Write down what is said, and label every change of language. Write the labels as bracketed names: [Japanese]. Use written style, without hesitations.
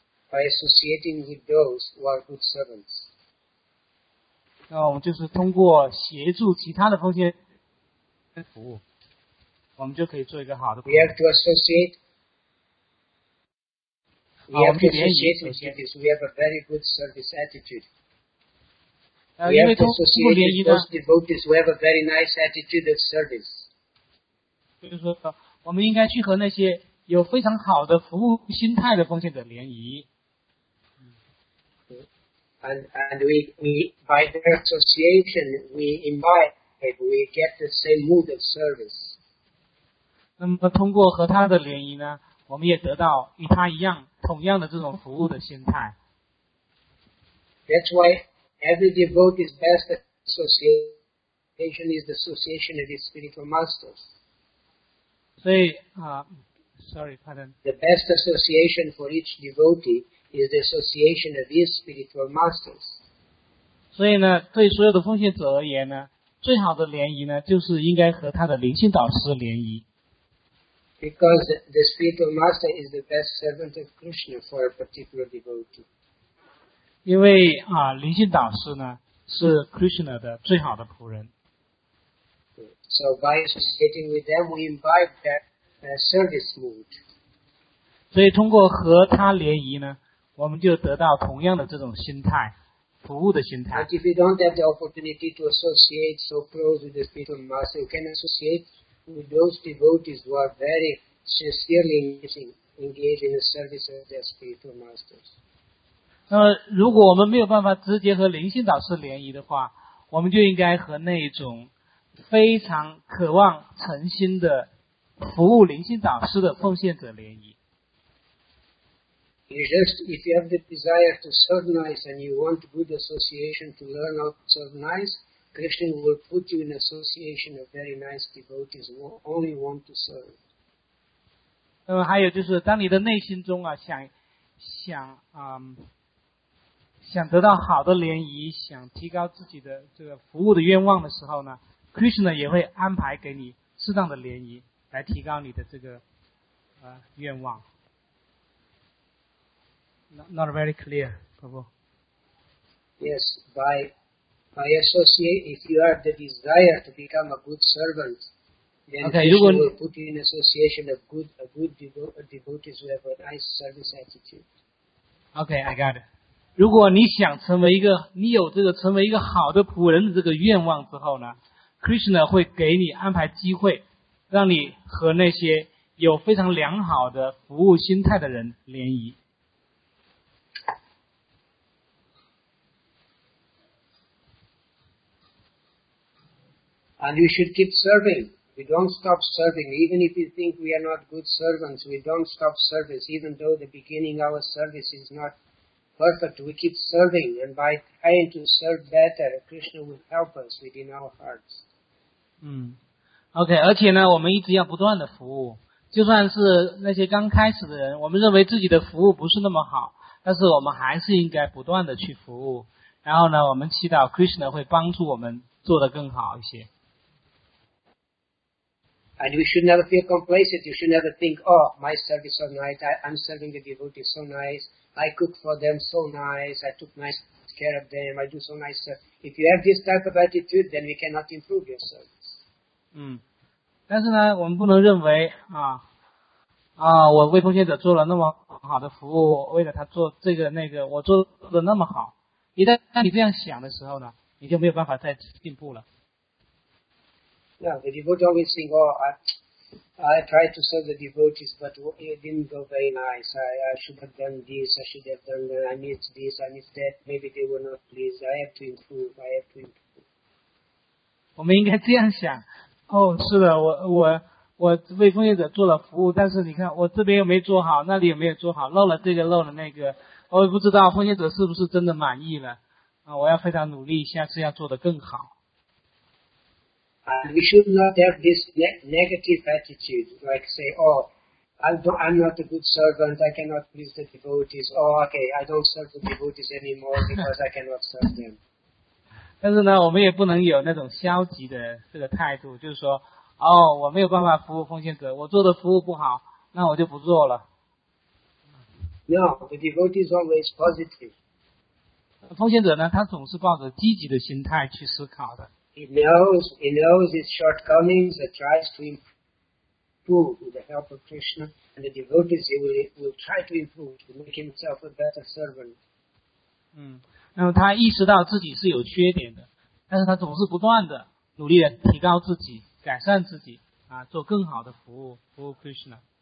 [English] By associating with those who are good servants. [Chinese] 那我们就是通过协助其他的奉献服务，我们就可以做一个好的。 [English] We have to associate. We have to associate with devotees. We have a very good service attitude. We have to associate with those devotees. We have a very nice attitude of service. [Chinese] 就是说，我们应该去和那些有非常好的服务心态的奉献者联谊。 [English] And we by their association we invite. If we get the same mood of service. [Chinese] 那么通过和他的联谊呢，我们也得到与他一样同样的这种服务的心态。 [English] That's why every devotee's best association is the association of his spiritual masters. [Chinese] 所以啊、， [English] sorry, pardon. The best association for each devotee is the association of his spiritual masters. [Chinese] 所以呢，对所有的奉献者而言呢。最好的联谊呢，就是应该和他的灵性导师联谊。 [English] Because the spiritual master is the best servant of Krishna for a particular devotee. [Chinese] 因为啊，灵性导师呢是 Krishna 的最好的仆人。 [English] So by associating with them, we imbibe that service mood. [Chinese] 所以通过和他联谊呢，我们就得到同样的这种心态。服务的心态。 [English] But if you don't have the opportunity to associate so close with the spiritual master, you can associate with those devotees who are very sincerely engaged in the service of their spiritual masters. [Chinese] 那如果我们没有办法直接和灵性导师联谊的话，我们就应该和那种非常渴望诚心的服务灵性导师的奉献者联谊。 [English] You just, if you have the desire to serve nice and you want good association to learn how to serve nice, Krishna will put you in association of very nice devotees who only want to serve. [Chinese] 那么还有就是，当你的内心中啊，想得到好的联谊，想提高自己的这个服务的愿望的时候呢 ，Krishna 也会安排给你适当的联谊，来提高你的这个愿望。 [English] Not very clear, Prabhu. Yes, by By associate, if you have the desire to become a good servant, then okay, you will put you in association of good devotees who have a nice service attitude. Okay, I got it. [Chinese] 如果你想成为一个，你有这个成为一个好的仆人的这个愿望之后呢 ，Krishna 会给你安排机会，让你和那些有非常良好的服务心态的人联谊。 [English] And you should keep serving. We don't stop serving. Even if you think we are not good servants, we don't stop service. Even though the beginning of our service is not perfect, we keep serving. And by trying to serve better, Krishna will help us within our hearts. [Chinese] Okay, 而且呢，我们一直要不断的服务。就算是那些刚开始的人，我们认为自己的服务不是那么好，但是我们还是应该不断的去服务。然后呢，我们祈祷 Krishna 会帮助我们做得更好一些。 [English] And you should never feel complacent. You should never think, oh, my service is so nice. I'm serving the devotees so nice. I cook for them so nice. I took nice care of them. I do so nice service. If you have this type of attitude, then we cannot improve your service. [Chinese] 但是呢，我们不能认为我为奉献者做了那么好的服务，为了他做这个那个，我做的那么好。一旦你这样想的时候呢，你就没有办法再进步了。 [English] Yeah, the devotee always think, oh, I tried to serve the devotees, but it didn't go very nice. I should have done this, I should have done that, I missed this, I missed that. Maybe they were not pleased. I have to improve. [Chinese] 我们应该这样想。哦，是的，我为奉献者做了服务，但是你看，我这边又没做好，那里也没有做好，漏了这个，漏了那个，我也不知道奉献者是不是真的满意了。我要非常努力，下次要做得更好。 [English] And we should not have this negative attitude, like say, I'm not a good servant, I cannot please the devotees, I don't serve the devotees anymore because I cannot serve them. [Chinese] 但是呢，我们也不能有那种消极的这个态度，就是说，我没有办法服务奉献者，我做的服务不好，那我就不做了。 [English] No, the devotee is always positive. [Chinese] 奉献者呢，他总是抱着积极的心态去思考的。 [English] He knows his shortcomings and tries to improve with the help of Krishna and the devotees. He will try to improve to make himself a better servant. [Chinese] 那么他意识到自己是有缺点的，但是他总是不断的努力的提高自己，改善自己，做更好的服务 Krishna。